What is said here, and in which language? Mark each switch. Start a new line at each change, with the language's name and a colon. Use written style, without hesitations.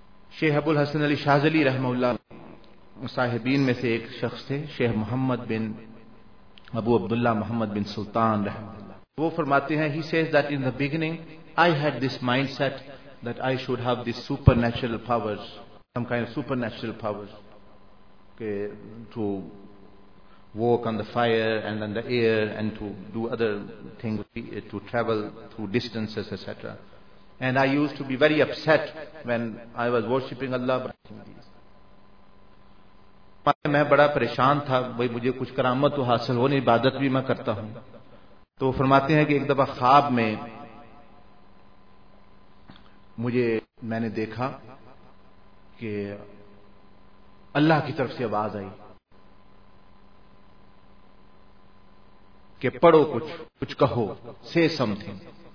Urdu: Sheikh Abul Hasan Ali Shazali rahmahullah صاحبین میں سے ایک شخص تھے, شیخ محمد بن ابو عبداللہ محمد بن سلطان رحمۃ اللہ. وہ فرماتے ہیں,
English: he says that in the beginning I had this mindset that I should have this supernatural powers, some kind of supernatural powers, okay, to walk on the fire and on the air and to do other things, to travel through distances, etc. And I used to be very upset when I was worshipping Allah.
Urdu: میں بڑا پریشان تھا, بھائی مجھے کچھ کرامت تو حاصل ہو نہیں, عبادت بھی میں کرتا ہوں. تو فرماتے ہیں کہ ایک دفعہ خواب میں مجھے میں نے دیکھا کہ اللہ کی طرف سے آواز آئی کہ پڑھو کچھ, کچھ کہو,
English: سے some thing.